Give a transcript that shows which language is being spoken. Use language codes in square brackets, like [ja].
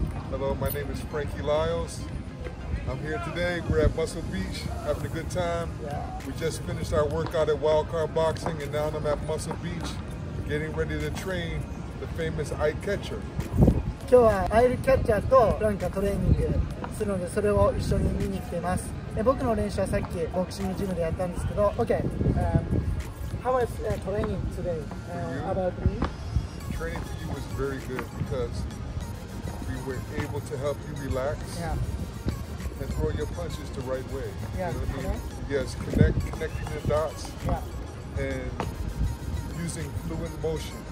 [en] Hello, my name is Frankie Lyles. I'm here today. We're at Muscle Beach having a good time. Yeah. We just finished our workout at Wild Card Boxing and now I'm at Muscle Beach getting ready to train the famous eye catcher. Today, I'm going to train with eye catcher and Frank. [ja] するので、それを一緒に見に来ています。僕の練習はさっきボクシングジムでやったんですけど、OK。 [en] How was training today? About me? Training for you was very good because we were able to help you relax、 yeah. and throw your punches the right way. Yeah, you know what I mean? Yes, connecting the dots、 yeah. and using fluent motion.